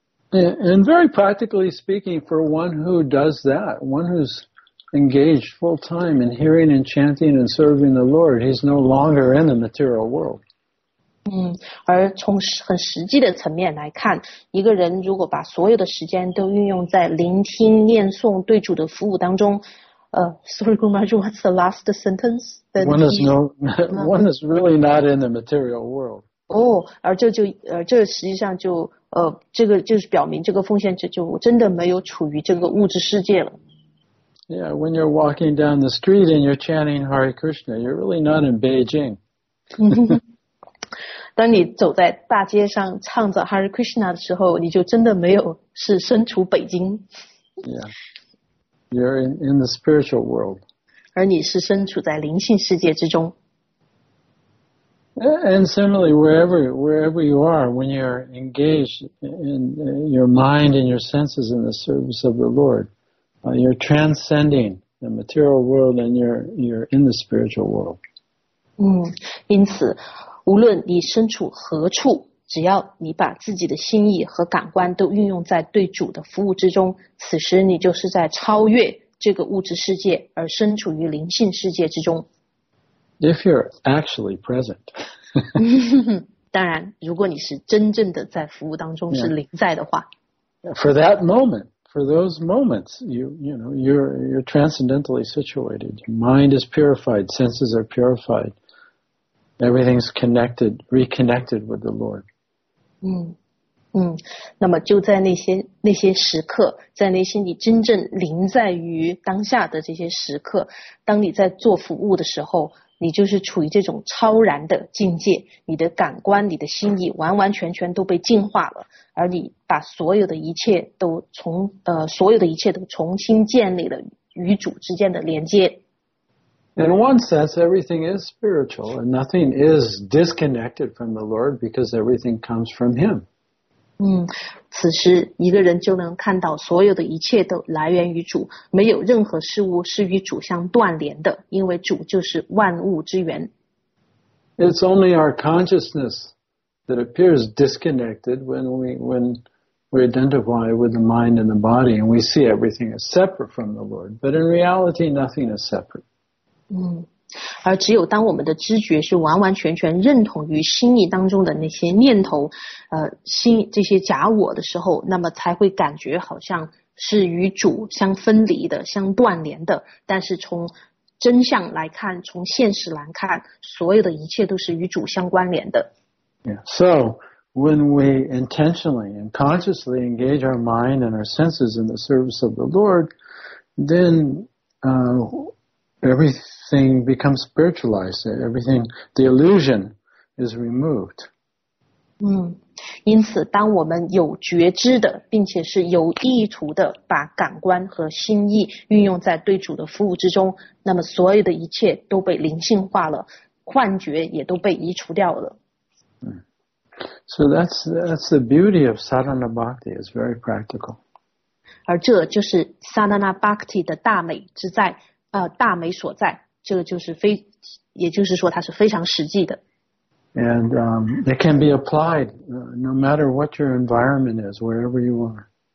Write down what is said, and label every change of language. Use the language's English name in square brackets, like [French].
[English] And very practically speaking, for one who does that, one who'sengaged full time in hearing and chanting and serving the Lord, he's no longer in the material world. [Chinese] 而从很实际的层面来看，一个人如果把所有的时间都运用在聆听、念诵、对主的服务当中， [English] sorry, Guru Maharaj, what's the last sentence? One is really not in the material world. [Chinese] 而这实际上就这个就是表明这个奉献者就真的没有处于这个物质世界了。 [English] Yeah, when you're walking down the street and you're chanting Hare Krishna, you're really not in Beijing. [Chinese] 当你走在大街上唱着 Hare Krishna 的时候，你就真的没有是身处北京。 [English] Yeah, you're in the spiritual world. [Chinese] 而你是身处在灵性世界之中。 [English] And similarly, wherever you are, when you're engaged in your mind and your senses in the service of the Lord, you're transcending the material world and you're in the spiritual world. [Chinese] 因此，无论你身处何处，只要你把自己的心意和感官都运用在对主的服务之中，此时你就是在超越这个物质世界，而身处于灵性世界之中。 [English] If you're actually present. [Chinese] 当然如果你是真正的在服务当中是临在的话。 [English] For that moment, for those moments, you're transcendentally situated. Your mind is purified, senses are purified. Everything's connected, reconnected with the Lord. [Chinese] 那么就在那些时刻，在那些你真正临在于当下的这些时刻，当你在做服务的时候，你就是处于这种超然的境界，你的感官、你的心意完完全全都被净化了，而你把所有的一切都重新建立了与主之间的连接。 [English] In one sense, everything is spiritual, and nothing is disconnected from the Lord because everything comes from Him. [Chinese] 此时一个人就能看到所有的一切都来源于主，没有任何事物是与主相断联的，因为主就是万物之源。 [English] It's only our consciousness that appears disconnected when we identify with the mind and the body and we see everything as separate from the Lord. But in reality, nothing is separate. [Chinese] 而只有当我们的知觉是完完全全认同于心意当中的那些念头，心这些假我的时候，那么才会感觉好像是与主相分离的、相断联的。但是从真相来看，从现实来看，所有的一切都是与主相关联的。 [English] Yeah. So when we intentionally and consciously engage our mind and our senses in the service of the Lord, then everything becomes spiritualized. Everything, the illusion is removed. [Chinese] 因此当我们有觉知的并且是有意图的把感官和心意运用在对主的服务之中，那么所有的一切都被灵性化了，幻觉也都被移除掉了。 [English] So that's the beauty of sadhana bhakti. It's very practical. [Chinese] 而这就是 sadhana bhakti 的大美之在。大美所在，这个就是非，也就是说它是非常实际的。 [English] And it can be applied no matter what your environment is, wherever you are.